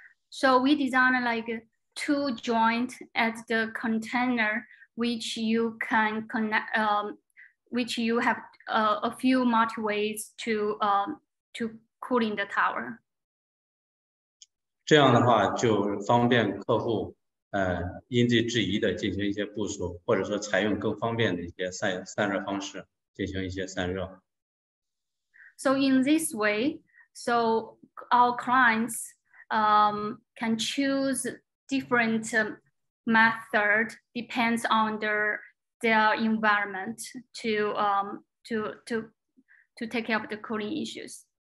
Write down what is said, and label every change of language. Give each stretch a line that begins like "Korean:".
English: So we designed like two joints at the container, which you can connect, which you have a few multi-ways to cooling the tower.
Chinese: 这样的话就方便客户因地制宜的进行一些部署或者说采用更方便的一些散热方式进行一些散热。
English: So in this way, so our clients can choose different methods depends on their environment to take care of the cooling issues.